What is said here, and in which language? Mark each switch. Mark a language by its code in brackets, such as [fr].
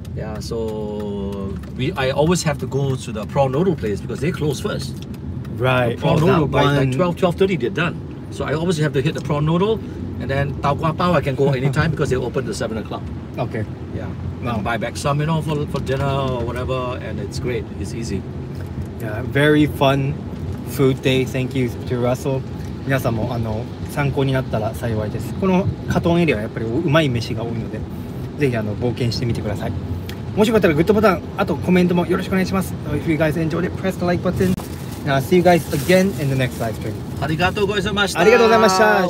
[en] Yeah, so I always have to go to the Prawn Noodle place because they close first. Right. The Prawn Noodle, by 12:30, they're done. So I always have to hit the Prawn Noodle, and then Tau Kwa Pau, I can go anytime because they open at 7 o'clock. Okay. Yeah. Wow. And buy back some, you know, for dinner or whatever, and it's great. It's easy. Yeah, very fun food day. Thank you to Russel. [ja] 皆さんも参考になったら幸いです。このカトンエリアはやっぱりうまい飯が多いので、ぜひ冒険してみてください。もしよかったらグッドボタン、あとコメントもよろしくお願いします。 [en] If you guys enjoyed it, press the like button. Now, see you guys again in the next live stream. [ja] ありがとうございました。ありがとうございました。